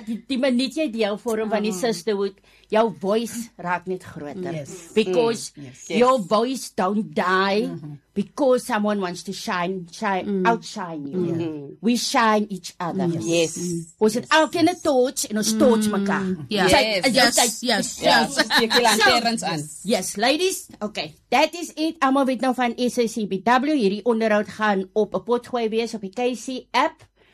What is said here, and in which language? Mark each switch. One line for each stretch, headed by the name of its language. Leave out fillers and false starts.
Afrikaans: die minuut jy deel vorm van die sisterhood, jou voice raak net groter.
English: Your voice don't die because someone wants to outshine you. We shine each other.
Afrikaans: Ons het elk in 'n torch en ons torch mekaar.
English: Yes, ladies, okay, that is it.
Afrikaans: Almal weet nou van SACBW. Hierdie onderhoud gaan op 'n potgooi wees op die KC app.